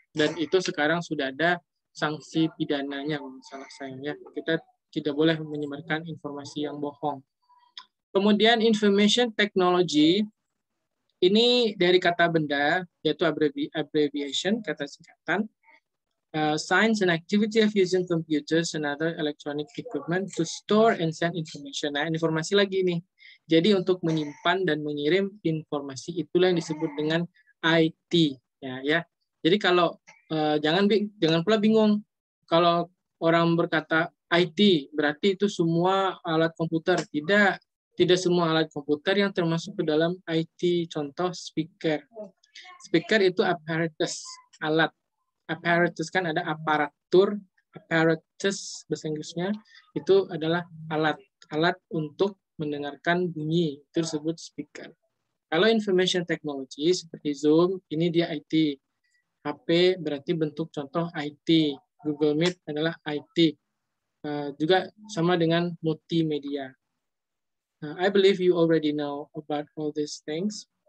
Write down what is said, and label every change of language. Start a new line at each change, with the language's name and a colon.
Indonesian: Dan itu sekarang sudah ada sanksi pidananya, salah saya, ya. Kita tidak boleh menyebarkan informasi yang bohong. Kemudian information technology, ini dari kata benda, yaitu abbreviation, kata singkatan.
English: Science and activity of using computers and other electronic equipment to store and send information.
Indonesian: Nah, informasi lagi ini. Jadi untuk menyimpan dan mengirim informasi, itulah yang disebut dengan IT. Ya, ya. Jadi kalau jangan pula bingung, kalau orang berkata IT, berarti itu semua alat komputer. Tidak semua alat komputer yang termasuk ke dalam IT. Contoh speaker. Speaker itu apparatus, alat. Apparatus kan ada aparatur, apparatus bahasa Inggrisnya, itu adalah alat. Alat untuk mendengarkan bunyi, itu disebut speaker. Kalau information technology seperti Zoom, ini dia IT. HP berarti bentuk contoh IT. Google Meet adalah IT. Juga sama dengan multimedia.
English: I believe you already know about all these things.